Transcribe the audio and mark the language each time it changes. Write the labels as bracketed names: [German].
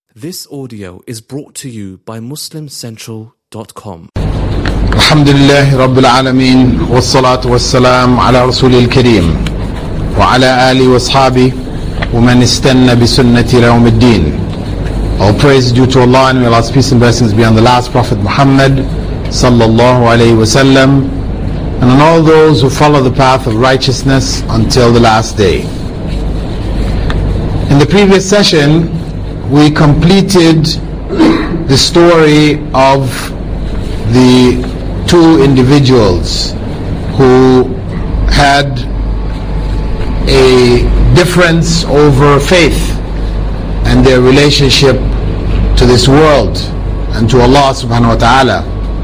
[English] This audio is brought to you by MuslimCentral.com. [Arabic] الحمد لله رب العالمين والصلاة والسلام على رسول الكريم وعلى آله وصحابه ومن استنى بسنة يوم الدين. [English] All praise due to Allah and may Allah's peace and blessings be on the last Prophet Muhammad sallallahu alayhi wa sallam and on all those who follow the path of righteousness until the last day. In the previous session, we completed the story of the two individuals who had a difference over faith and their relationship to this world and to Allah subhanahu wa ta'ala.